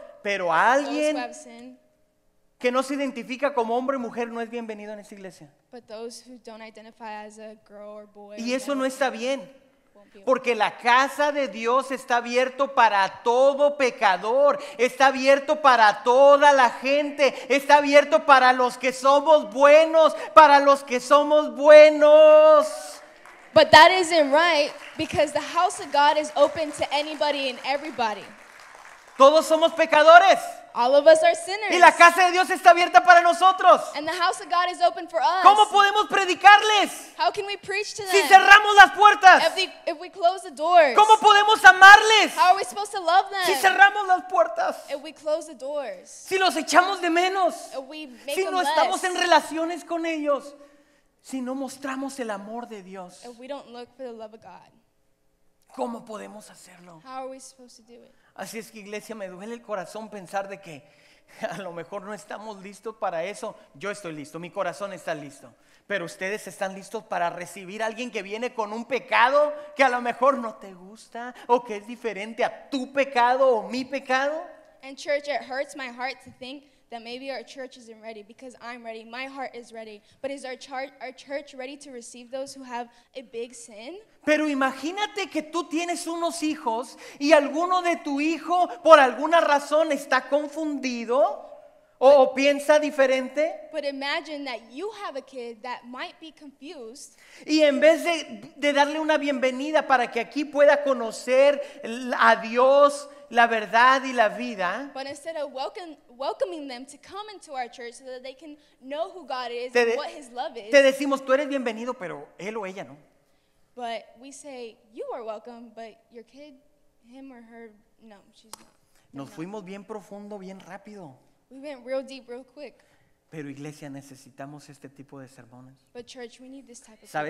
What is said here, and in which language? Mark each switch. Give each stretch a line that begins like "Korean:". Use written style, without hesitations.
Spanish: Pero alguien que no se identifica como hombre o mujer no es bienvenido en esta iglesia.
English: But those who don't identify as a girl or boy.
Spanish: Y eso no está bien. Porque la casa de Dios está abierto para todo pecador, está abierto para toda la gente, está abierto para los que somos buenos, para los que somos buenos.
English: But that isn't right, because the house of God is open to anybody and everybody.
Spanish: Todos somos pecadores.
English: All of us are sinners.
Spanish: Y la casa de Dios está abierta para nosotros.
English: And the house of God is open for us.
Spanish: ¿Cómo podemos predicarles?
English: How can we preach to them?
Spanish: Si cerramos las puertas.
English: If we close the doors.
Spanish: ¿Cómo podemos amarles?
English: How are we supposed to love them?
Spanish: Si cerramos las puertas.
English: If we close the doors.
Spanish: Si los echamos de menos.
English: If we make
Spanish: si no
English: them
Spanish: estamos
English: less.
Spanish: En relaciones con ellos. Si no mostramos el amor de Dios.
English: If we don't look for the love of God.
Spanish: ¿Cómo podemos hacerlo?
English: How are we supposed to do it?
Spanish: Así es que, iglesia, me duele el corazón pensar de que a lo mejor no estamos listos para eso. Yo estoy listo, mi corazón está listo. Pero ustedes están listos para recibir a alguien que viene con un pecado que a lo mejor no te gusta o que es diferente a tu pecado o mi pecado.
English: And church, it hurts my heart to think that maybe our church isn't ready, because I'm ready, my heart is ready. But is our church ready to receive those who have a big sin?
Spanish: Pero imagínate que tú tienes unos hijos y alguno de tu hijo por alguna razón está confundido o piensa diferente.
English: But imagine that you have a kid that might be confused.
Spanish: Y en vez de darle una bienvenida para que aquí pueda conocer a Dios, la verdad y la vida.
English: But instead of welcoming them to come into our church so that they can know who God is and what his love is.
Spanish: Te decimos, tú eres bienvenido, pero él o ella no.
English: But we say, you are welcome, but your kid, him or her, no, she's not.
Spanish: Nos fuimos bien profundo, bien rápido.
English: We went real deep, real quick.
Spanish: Pero iglesia, necesitamos este tipo de sermones.
English: But church, we need this type of sermon.